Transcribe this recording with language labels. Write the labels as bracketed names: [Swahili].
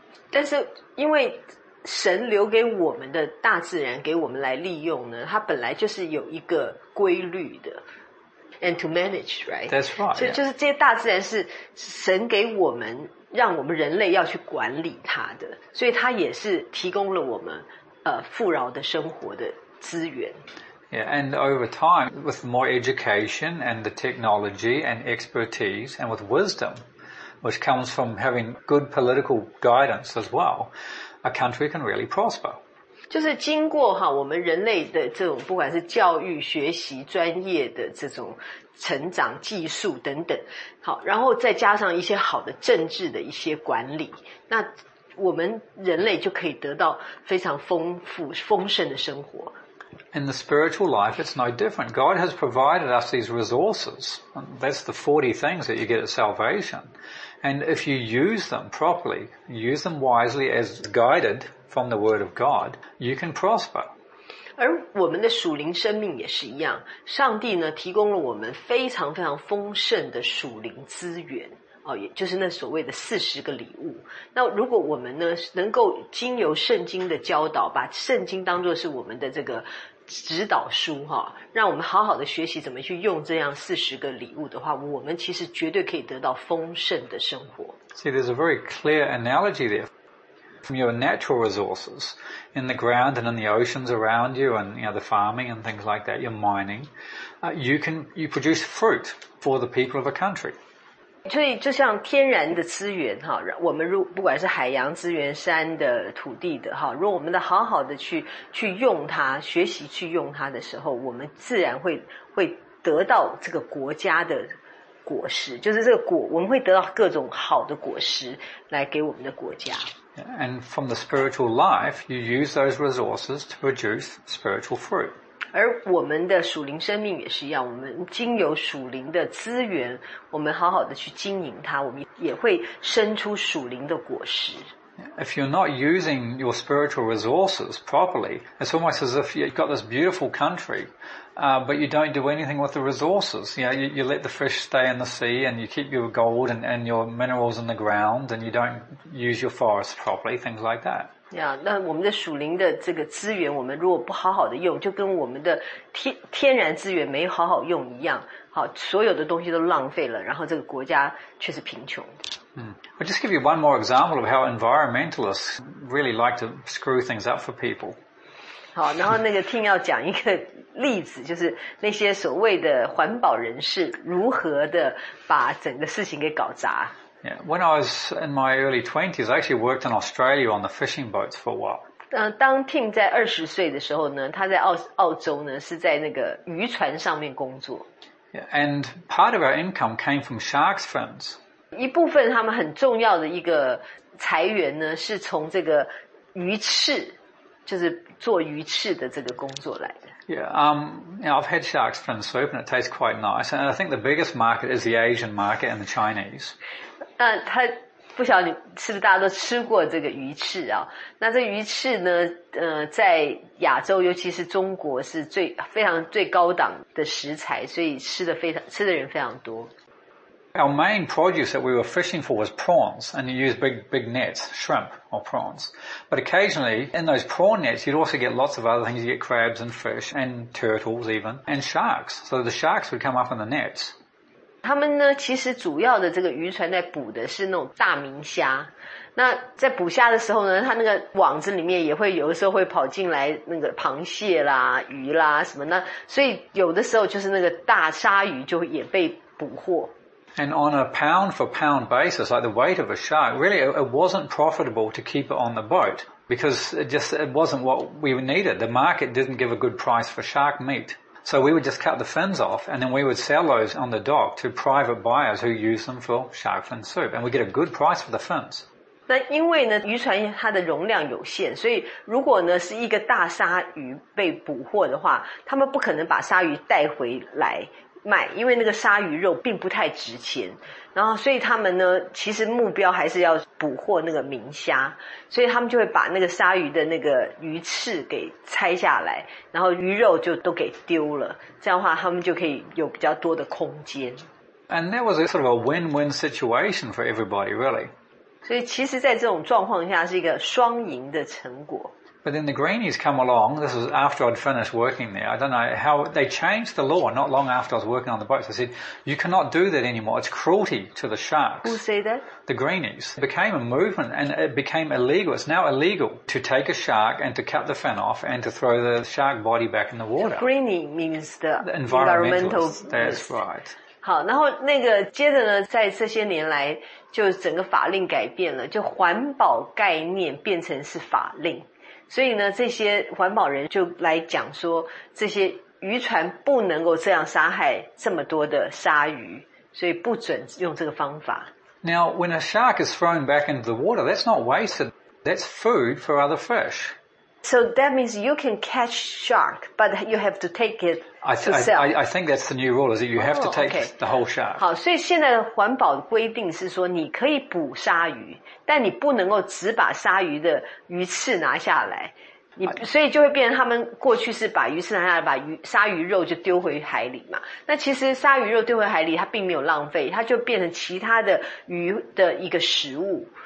[Chinese] 但是因为神留给我们的大自然给我们来利用呢，它本来就是有一个规律的。 [English] And to manage, right? That's right. [Chinese] 所以就是这些大自然是神给我们让我们人类要去管理它的，所以它也是提供了我们富饶的生活的资源。 [English] Yeah, and over time, with more education and the technology and expertise and with wisdom, which comes from having good political guidance as well, a country can really prosper. [Chinese] 就是经过哈我们人类的这种不管是教育、学习、专业的这种成长、技术等等，好，然后再加上一些好的政治的一些管理，那我们人类就可以得到非常丰富、丰盛的生活。 [English] In the spiritual life, it's no different. God has provided us these resources. That's the 40 things that you get at salvation. And if you use them properly, use them wisely as guided from the word of God, you can prosper. [Chinese] 而我们的属灵生命也是一样，上帝呢提供了我们非常非常丰盛的属灵资源，也就是那所谓的四十个礼物。那如果我们呢能够经由圣经的教导，把圣经当作是我们的这个指导书，让我们好好的学习怎么去用这样四十个礼物的话，我们其实绝对可以得到丰盛的生活。 [English] See, there's a very clear analogy there. From your natural resources in the ground and in the oceans around you and you know, the farming and things like that, your mining, you produce fruit for the people of a country. [Chinese] 所以就像天然的资源，我们不管是海洋资源、山的、土地的，如果我们的好好的去用它，学习去用它的时候，我们自然会得到这个国家的果实，就是这个果，我们会得到各种好的果实来给我们的国家。 [English] And from the spiritual life, you use those resources to produce spiritual fruit. [Chinese] 而我们的属灵生命也是一样，我们经由属灵的资源，我们好好的去经营它，我们也会生出属灵的果实。 [English] If you're not using your spiritual resources properly, it's almost as if you've got this beautiful country, but you don't do anything with the resources. You know, you let the fish stay in the sea and you keep your gold and your minerals in the ground and you don't use your forests properly, things like that. [Chinese] Yeah, 那我们的属灵的这个资源，我们如果不好好的用，就跟我们的天然资源没好好用一样，好，所有的东西都浪费了，然后这个国家却是贫穷。 [English] I'll just give you one more example of how environmentalists really like to screw things up for people. [Chinese] 好，然后那个听要讲一个例子，就是那些所谓的环保人士如何的把整个事情给搞砸。 [English] Yeah, when I was in my early 20s, I actually worked in Australia on the fishing boats for a while. [Chinese] 当 Tim 在20岁的时候呢，他在澳洲呢是在那个渔船上面工作。 [English] And part of our income came from sharks' fins. [Chinese] 一部分他们很重要的一个财源呢，是从这个鱼翅，就是做鱼翅的这个工作来的。 [English] Yeah, you know, I've had shark's fin soup and it tastes quite nice. And I think the biggest market is the Asian market and the Chinese. [Chinese] 那他不晓得你是不是大家都吃过这个鱼翅啊？那这鱼翅呢？在亚洲，尤其是中国，是最非常最高档的食材，所以吃的人非常多。 [English] Our main produce that we were fishing for was prawns, and you use big nets, shrimp or prawns. But occasionally, in those prawn nets, you'd also get lots of other things. You get crabs and fish and turtles even, and sharks. So the sharks would come up in the nets. [Chinese] 他们呢，其实主要的这个渔船在捕的是那种大明虾。那在捕虾的时候呢，它那个网子里面也会有的时候会跑进来那个螃蟹啦、鱼啦什么的。所以有的时候就是那个大鲨鱼就也被捕获。 [English] And on a pound for pound basis, like the weight of a shark, really it wasn't profitable to keep it on the boat because it wasn't what we needed. The market didn't give a good price for shark meat. So we would just cut the fins off and then we would sell those on the dock to private buyers who use them for shark fin soup. And we get a good price for the fins. [Chinese] 那因为呢，渔船它的容量有限，所以如果呢是一个大鲨鱼被捕获的话，他们不可能把鲨鱼带回来卖，因为那个鲨鱼肉并不太值钱，然后所以他们呢，其实目标还是要捕获那个明虾，所以他们就会把那个鲨鱼的那个鱼翅给拆下来，然后鱼肉就都给丢了，这样的话他们就可以有比较多的空间。 [English] And that was a sort of a win-win situation for everybody, really. [Chinese] 所以其实在这种状况下是一个双赢的成果。 [English] But then the greenies come along, this was after I'd finished working there. I don't know how, they changed the law not long after I was working on the boats. They said, you cannot do that anymore, it's cruelty to the sharks. Who said that? The greenies. It became a movement and it became illegal. It's now illegal to take a shark and to cut the fin off and to throw the shark body back in the water. So greenie means the environmental. That's right. [Chinese] 好，然后那个接着呢，在这些年来，就整个法令改变了，就环保概念变成是法令。所以呢，这些环保人就来讲说，这些渔船不能够这样杀害这么多的鲨鱼，所以不准用这个方法。 [English] Now, when a shark is thrown back into the water, that's not wasted. That's food for other fish. So that means you can catch shark, but you have to take it to sell. I think that's the new rule, is that you have to take the whole shark. [Chinese] 好，所以现在的环保规定是说，你可以捕鲨鱼。但你不能够只把鲨鱼的鱼翅拿下来，所以就会变成他们过去是把鱼翅拿下来，把鲨鱼肉就丢回海里嘛。那其实鲨鱼肉丢回海里，它并没有浪费，它就变成其他的鱼的一个食物。